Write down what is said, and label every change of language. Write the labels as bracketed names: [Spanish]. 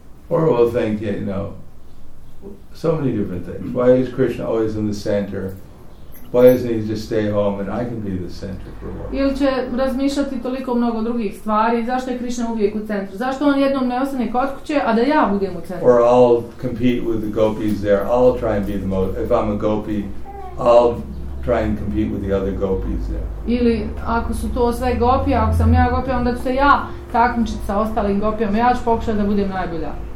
[English] Or we'll think, you know, so many different things. Why is Krishna always in the center? Why doesn't he just stay home and I can be the center for a while? [Bosnian] Ili će razmišljati toliko mnogo drugih stvari. Zašto je Krishna uvijek u centru? Zašto on jednom ne ostane kod kuće, a da ja budem u centru? [English] Or I'll compete with the gopis there. I'll try and be the most. If I'm a gopi, I'll try and compete with the other gopis there. [Bosnian] Ili ako su to sve gopi, ako sam ja gopi, onda ću se ja takmičiti sa ostalim gopijama. Ja ću pokušati da budem najbolja.